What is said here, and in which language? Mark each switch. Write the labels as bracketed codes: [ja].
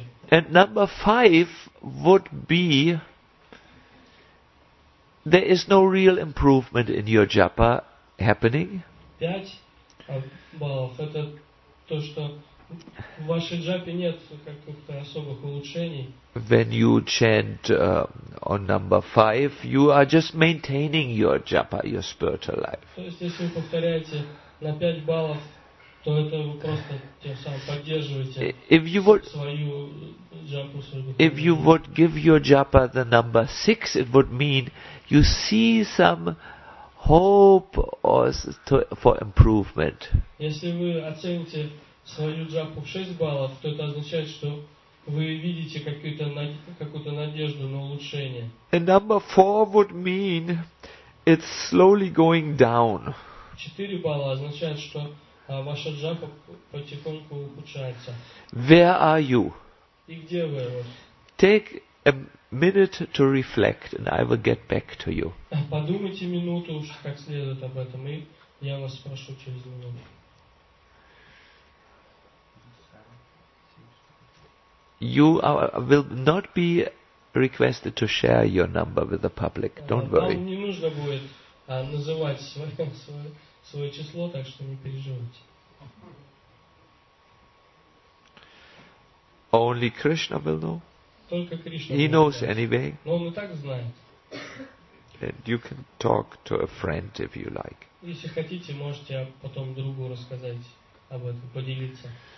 [en] And number 5 would be there is no real improvement in your japa happening. [ru] 5 баллов это то, что в вашей джапе нет каких-то особых улучшений. [en] When you chant on number 5, you are just maintaining your japa, your spiritual life. [ru] То есть, если вы повторяете на 5 баллов, то это вы просто тем самым поддерживаете свою джапу. [en] If you would give your japa the number 6, it would mean you see some hope for improvement. [ru] Если вы оцените свою джапу в 6 баллов, то это означает, что вы видите какую-то надежду на улучшение. [en] And number 4 would mean it's slowly going down. [ru] 4 балла означает, что ваша джапа потихоньку ухудшается. [en] Where are you? [ru] И где вы? [en] Take a minute to reflect and I will get back to you. [ru] Подумайте минуту уж как следует об этом, и я вас спрошу через минуту. [en] You will not be requested to share your number with the public. Don't worry. [ru] Вам не нужно будет называть свое число, так что не переживайте. [en] Only Krishna will know. [ru] Только Кришна. [en] He knows anyway. [ru] Но он и так знает. [en] and you can talk to a friend if you like. [ru] Если хотите, можете потом другу рассказать об этом, поделиться.